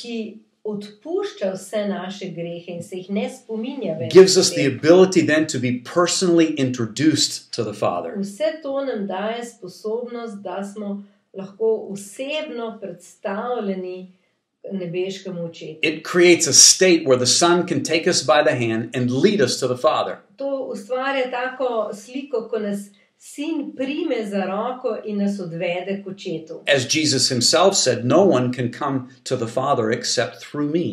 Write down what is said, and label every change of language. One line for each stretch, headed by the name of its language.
Slovenian: ki odpušča vse naše grehe in se jih ne spominja več.
English: Gives us the ability then to be personally introduced to the Father.
Slovenian: Vse to nam daje sposobnost, da smo lahko osebno predstavljeni nebeškemu očetu.
English: It creates a state where the Son can take us by the hand and lead us to the Father.
Slovenian: To ustvarja tako sliko, ko nas Sin prime za roko in nas odvede k očetu.
English: As Jesus himself said, no one can come to the Father except through me.